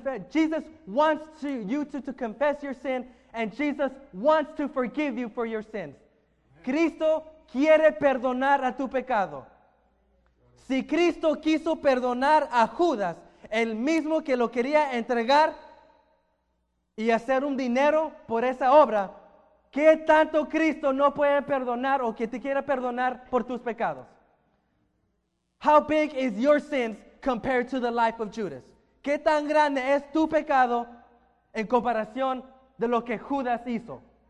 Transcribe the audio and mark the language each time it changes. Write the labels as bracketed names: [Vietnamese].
[English] Jesus wants you to confess your sin, and Jesus wants to forgive you for your sins. [Spanish] Cristo quiere perdonar a tu pecado. Si Cristo quiso perdonar a Judas, el mismo que lo quería entregar y hacer un dinero por esa obra, ¿qué tanto Cristo no puede perdonar o que te quiera perdonar por tus pecados? [English] How big is your sins compared to the life of Judas? [Spanish] ¿Qué tan grande es tu pecado en comparación de lo que Judas hizo?